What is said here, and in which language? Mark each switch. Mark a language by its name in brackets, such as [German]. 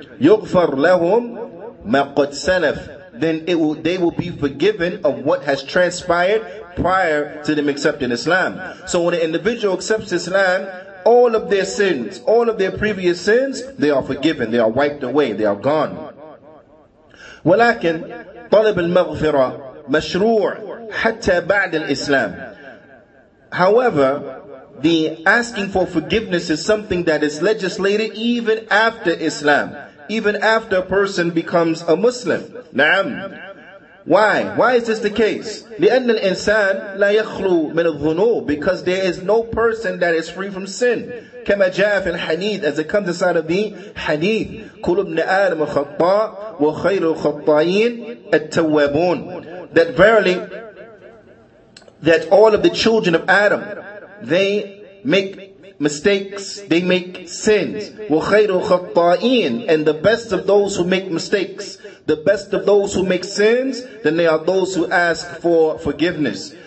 [Arabic] يُغْفَرْ لَهُمْ مَا قَدْ سَلَفْ. [English] Then they will be forgiven of what has transpired prior to them accepting Islam. So when an individual accepts Islam, all of their sins, all of their previous sins, they are forgiven, they are wiped away, they are gone. [Arabic] ولكن طلب المغفرة مشروع حتى بعد الإسلام. [English] However, the asking for forgiveness is something that is legislated even after Islam. Even after a person becomes a Muslim. Naam. Why? Why is this the case? [Arabic] لأن الإنسان لا يخلو من الذنوب. [English] Because there is no person that is free from sin. [Arabic] كما جاء في الحديث, [English] as it comes inside of the hadith. [Arabic] كل ابن آدم خطاء وخير الخطائين التوابون. [English] That verily, that all of the children of Adam, they make mistakes, they make sins. [Arabic] وَخَيْرُ الْخَطَّائِينَ. [English] And the best of those who make mistakes, the best of those who make sins, then they are those who ask for forgiveness.